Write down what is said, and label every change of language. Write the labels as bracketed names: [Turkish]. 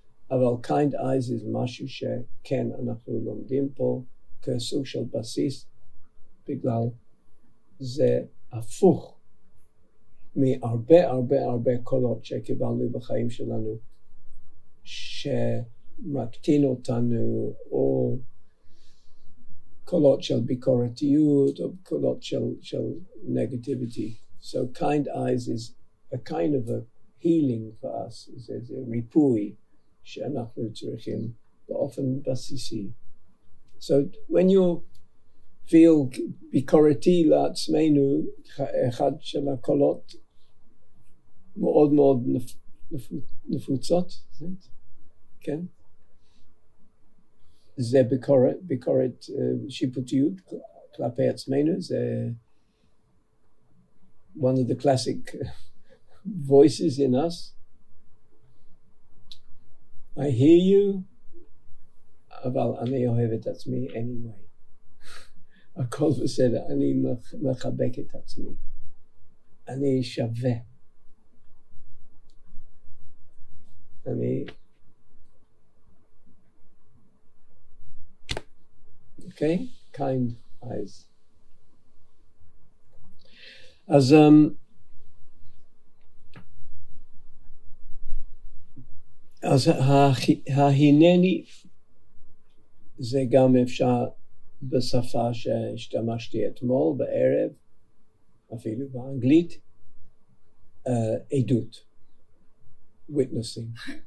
[Hebrew] אבל kind eyes זה משהו שכן אנחנו לומדים פה כסוג של בסיס, בגלל זה הפוך מהרבה הרבה הרבה קולות שקיבלנו בחיים שלנו, שמקטין אותנו, או קולות של ביקורתיות, או קולות של negativity. [English] So kind eyes is a kind of a healing for us, [Hebrew] זה ריפוי שאנחנו צריכים באופן בסיסי. [English] So when you feel [Hebrew] ביקורתי לעצמנו, אחד של הקולות מאוד מאוד נפוצות, כן? זה ביקורת, ביקורת שיפוטיות כלפי עצמנו, זה [English] one of the classic voices in us. I hear you, [Hebrew] אבל אני אוהב את עצמי anyway. הכל בסדר, אני מחבק את עצמי. אני שווה. אני okay, kind eyes. אז אז ההינני זה גם אפשר בשפה שהשתמשתי אתמול בערב, אפילו באנגלית, עדות, witnessing.